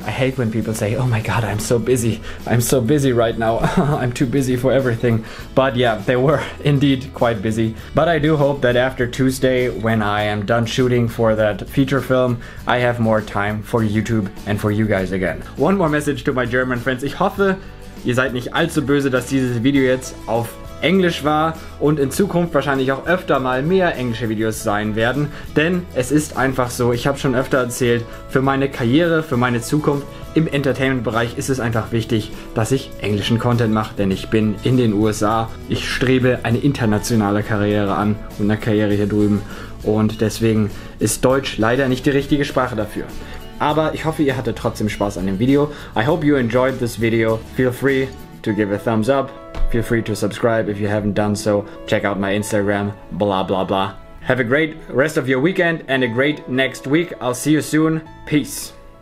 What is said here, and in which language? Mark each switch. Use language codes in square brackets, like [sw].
[en] I hate when people say, oh my God, I'm so busy. I'm so busy right now. I'm too busy for everything. But yeah, they were indeed quite busy. But I do hope that after Tuesday, when I am done shooting for that feature film, I have more time for YouTube and for you guys again. One more message to my German friends. [de] Ich hoffe, ihr seid nicht allzu böse, dass dieses Video jetzt auf Englisch war und in Zukunft wahrscheinlich auch öfter mal mehr englische Videos sein werden, denn es ist einfach so, ich habe schon öfter erzählt, für meine Karriere, für meine Zukunft im Entertainment-Bereich ist es einfach wichtig, dass ich englischen Content mache, denn ich bin in den USA, ich strebe eine internationale Karriere an und eine Karriere hier drüben und deswegen ist Deutsch leider nicht die richtige Sprache dafür. Aber ich hoffe, ihr hattet trotzdem Spaß an dem Video. [en] I hope you enjoyed this video. Feel free to give a thumbs up. Feel free to subscribe if you haven't done so. Check out my Instagram, blah, blah, blah. Have a great rest of your weekend and a great next week. I'll see you soon. Peace.